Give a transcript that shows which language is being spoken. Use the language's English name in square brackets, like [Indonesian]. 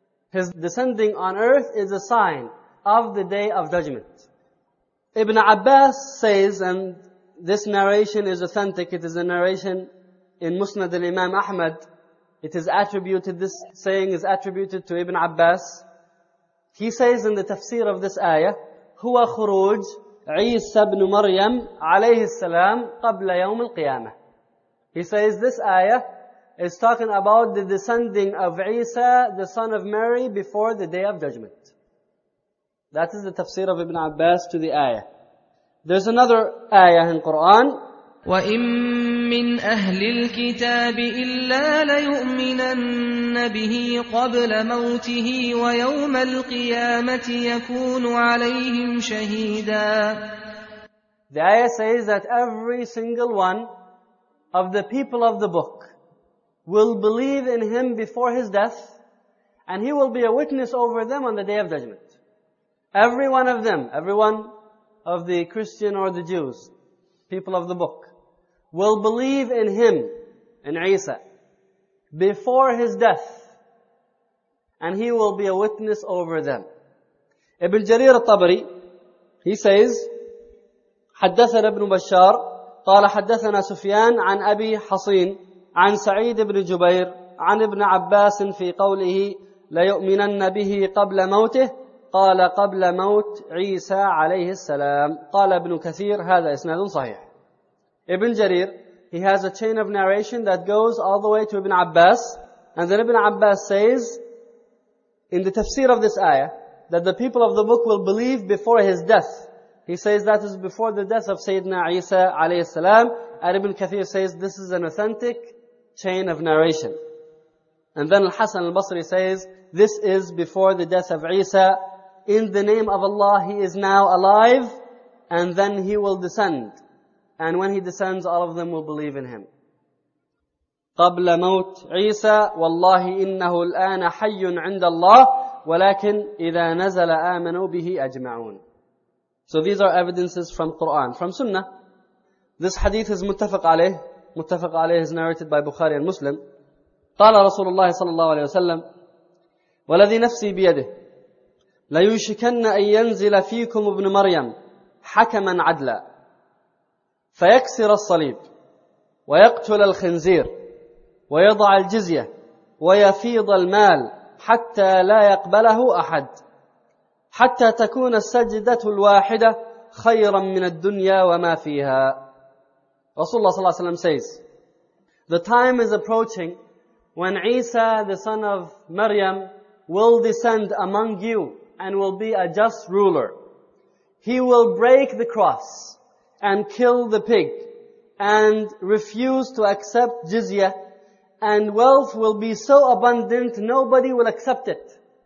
[English] His descending on earth is a sign of the day of judgment. Ibn Abbas says, and this narration is authentic, it is a narration in Musnad al-Imam Ahmad, it is attributed, this saying is attributed to Ibn Abbas. He says in the tafsir of this ayah, [Arabic] هُوَ خُرُوج عِيسَى بْنُ مَرْيَمْ عَلَيْهِ السَّلَامُ قَبْلَ يَوْمِ الْقِيَامَةِ. [English] He says this ayah is talking about the descending of Isa, the son of Mary, before the day of judgment. That is the tafsir of Ibn Abbas to the ayah. There's another ayah in Quran. [Arabic] وَإِن مِّنْ أَهْلِ الْكِتَابِ إِلَّا لَيُؤْمِنَنَّ بِهِ قَبْلَ مَوْتِهِ وَيَوْمَ الْقِيَامَةِ يَكُونُ عَلَيْهِمْ شَهِيدًا. [English] The ayah says that every single one of the people of the book will believe in him before his death, and he will be a witness over them on the day of judgment. Every one of them, every one of the Christian or the Jews, people of the book, will believe in him, in Isa, before his death, and he will be a witness over them. Ibn Jarir al-Tabari, he says, [Arabic] حدثنا ابن بشار قال حدثنا سفيان عن أبي حصين عن سعيد بن جبير عن ابن عباس في قوله ليؤمنن به قبل موته قال قبل موت عيسى عليه السلام قال ابن كثير هذا إسناد صحيح. [English] Ibn Jarir, he has a chain of narration that goes all the way to Ibn Abbas, and then Ibn Abbas says in the tafsir of this ayah that the people of the book will believe before his death. He says that is before the death of Sayyidina Isa alayhi salam, and Ibn Kathir says this is an authentic chain of narration. And then Al-Hasan al-Basri says this is before the death of Isa. In the name of Allah, he is now alive, and then he will descend. And when he descends, all of them will believe in him. [Arabic] قَبْلَ مَوْتْ عِيسَى وَاللَّهِ إِنَّهُ الْآنَ حَيٌّ عِنْدَ اللَّهِ وَلَكِنْ إِذَا نَزَلَ آمَنُوا بِهِ أَجْمَعُونَ. [English] So these are evidences from Quran, from Sunnah. This hadith is muttafaq alayh. Muttafaq alayh is narrated by Bukhari and Muslim. [Arabic] قال رسول الله صلى الله عليه وسلم وَلَذِي نَفْسِي بِيَدِهِ لَيُشِكَنَّ أَن يَنزِلَ فِيكُمْ ابْنُ مَرْيَمْ حَكَمًا عَدْلًا فيكسر الصليب ويقتل الخنزير ويضع الجزية ويفيض المال حتى لا يقبله أحد حتى تكون السجدة الواحدة خيرا من الدنيا وما فيها. رسول الله صلى الله عليه وسلم [English] says, the time is approaching when Isa, the son of Maryam, will descend among you and will be a just ruler. He will break the cross and kill the pig, and refuse to accept jizya, and wealth will be so abundant, nobody will accept it.